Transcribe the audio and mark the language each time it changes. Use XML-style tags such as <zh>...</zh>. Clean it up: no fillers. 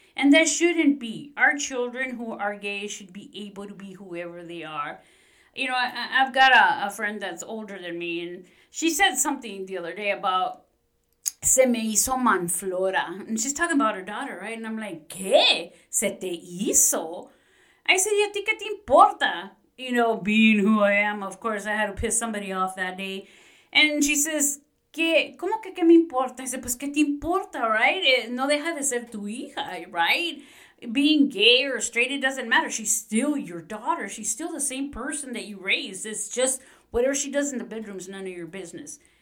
<en>And that shouldn't be. Our children who are gay should be able to be whoever they are. You know, I've got a friend that's older than me, and she said something the other day about</en> <es>se me hizo manflora.</es> <en>And she's talking about her daughter, right? And I'm like,</en> <es>¿qué? ¿Se te hizo?</es> <en>I said,</en> <es>¿y a ti qué te importa?</es> <en>You know, being who I am, of course, I had to piss somebody off that day. And she says,</en> <es>¿qué? ¿Cómo que qué me importa?</es> <en>I said,</en> <es>pues, ¿qué te importa, right? No deja de ser tu hija,</es> <en>right? Being gay or straight, it doesn't matter. She's still your daughter. She's still the same person that you raised. It's just whatever she does in the bedroom is none of your business.</en>